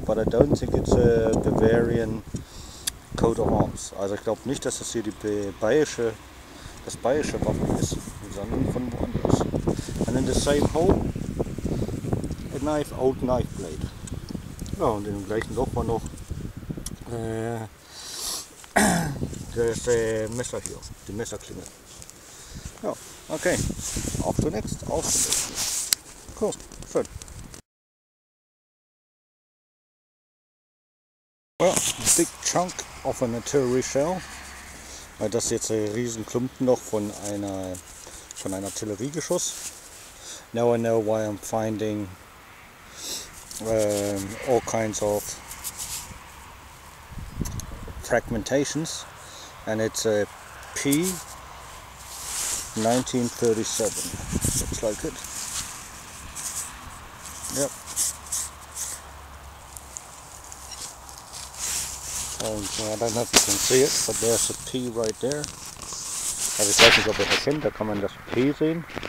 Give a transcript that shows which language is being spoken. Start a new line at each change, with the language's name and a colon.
English: But I don't think it's a Bavarian coat of arms.
German: Also ich glaube nicht, dass das hier das bayerische Wappen ist, sondern von woanders.
English: And in the same hole, a knife, old knife blade.
German: Ja, und in dem gleichen Loch war noch das Messer hier, die Messerklinge. Ja, okay. Auf zum nächsten, auf zum nächsten. Cool, schön.
English: Well, big chunk of an artillery shell.
German: Weil das ist jetzt ein riesen Klumpen noch von einem Artilleriegeschoss.
English: Now I know why I'm finding all kinds of fragmentations. And it's a P1937. Looks like it. Yep. And I don't know if you can see it, but there's a P right there.
German: Also ich weiß nicht, ob ihr das kennt, da kann man das P sehen.